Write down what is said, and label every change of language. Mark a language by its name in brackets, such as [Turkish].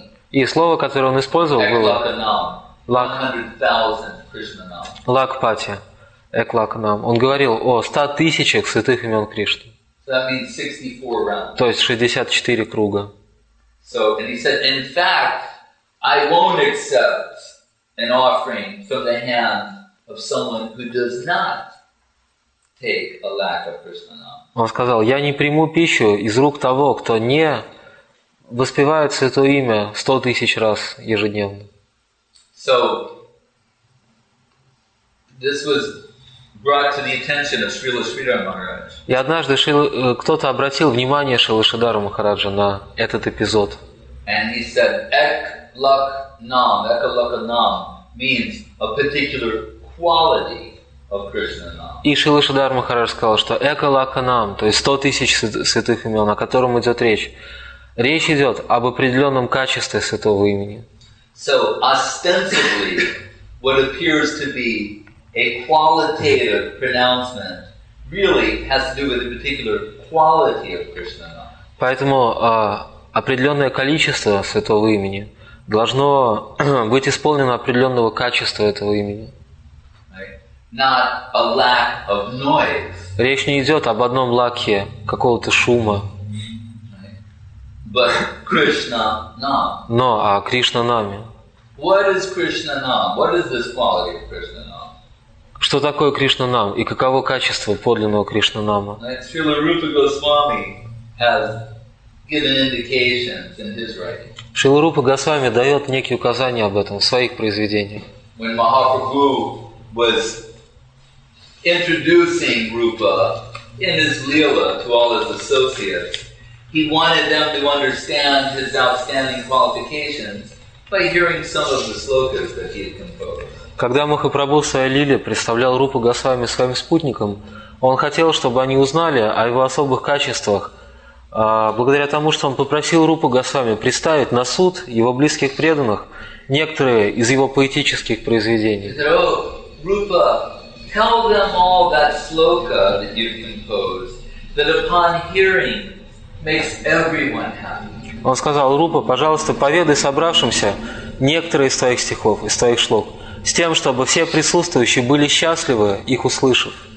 [Russian] И слово, которое он использовал, было Лакпати, Эклакнам. Он говорил о 100 тысячах святых имен Кришны. То есть 64 круга. [English] So, and he said, in fact, I won't accept an offering from the hand of someone who does not take a lack of Krishna. [Russian] Он сказал, я не приму пищу из рук того, кто не воспевает святое имя 100 тысяч раз ежедневно. [English] So, this was brought to the attention of Srila Sridhara Maharaj. [Russian] И однажды кто-то обратил внимание Шрилы Шридхара Махараджа на этот эпизод. [English] And he said, Eklaknam, Eklaknam means a particular quality of Krishna Nam. [Russian] И Шрила Шридхар Махарадж сказал, что Эклаканам, то есть 100 тысяч святых имен, о котором идет речь, речь идет об определенном качестве святого имени. [English] So, ostensibly, what appears to be a qualitative pronouncement really has to do with a particular quality of Krishna Nam. [Russian] Поэтому определенное количество святого имени должно быть исполнено определенного качества этого имени. [English] Not a lack of noise. [Russian] Речь не идет об одном лакхе какого-то шума. [English] But Krishna Nam. [Russian] Но о Кришна-наме. [English] What is Krishna-nam? What is this quality of Krishna-nam? [Russian] Что такое Кришна-нам и каково качество подлинного Кришна-нама? [English] Srila Rupa Goswami has given indications in his writing. [Russian] Srila Rupa Goswami дает некие указания об этом в своих произведениях. [English] When Mahaprabhu was introducing Rupa in his Leela to all his associates, he wanted them to understand his outstanding qualifications by hearing some of the slokas that he had composed. [Russian] Когда Махапрабху в своей лиле представлял Рупу Госвами своим спутникам, он хотел, чтобы они узнали о его особых качествах, благодаря тому, что он попросил Рупу Госвами представить на суд его близких преданных некоторые из его поэтических произведений. [English] Rupa, tell them all that sloka that you've composed, that upon hearing makes everyone happy. [Russian] Он сказал, Рупа, пожалуйста, поведай собравшимся некоторые из твоих стихов, из твоих шлок, с тем, чтобы все присутствующие были счастливы, их услышав.